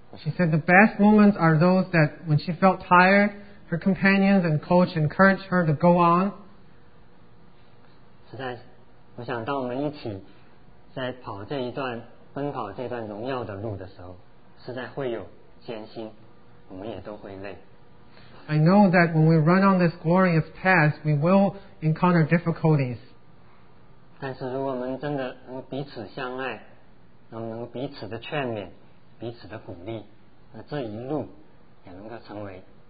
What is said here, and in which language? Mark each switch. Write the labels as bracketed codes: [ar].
[en] She said the best moments are those that when she felt tired. Her companions and coach encouraged her to go on. [zh] 实在，我想，当我们一起在跑这一段、奔跑这段荣耀的路的时候，实在会有艰辛，我们也都会累。 [en] I know that when we run on this glorious path, we will encounter difficulties. [zh] 但是，如果我们真的能够彼此相爱，能够彼此的劝勉、彼此的鼓励，那这一路也能够成为。